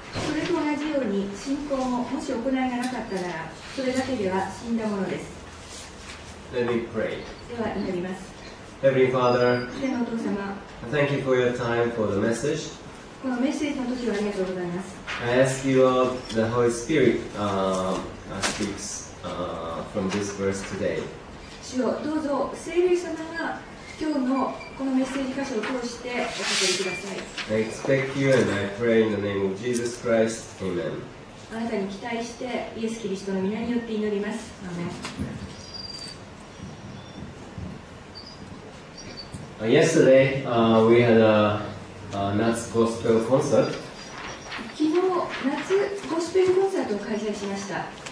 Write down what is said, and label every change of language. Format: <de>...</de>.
<ja>それと同じように信仰ももし行いがなかったならそれだけでは死んだものです。</ja> <en>Let me pray.</en> <ja>では祈ります。</ja> <en>Heavenly Father, thank you for your time for the message.</en> <ja>このメッセージの時はありがとうございます。</ja> <en>I ask you of the Holy Spirit speaks from this verse today.</en> <ja>主よ、どうぞ聖霊様が今日のこのメッセージ箇所を通してお語りください。</ja> <en>I expect you and I pray in the name of Jesus Christ. Amen.</en> <ja>あなたに期待してイエス・キリストの御名によって祈ります。アーメン。</ja> <en>Yesterday, we had a Nats Gospel Concert.</en> <ja>昨日、夏ゴスペルコンサートを開催しました。</ja>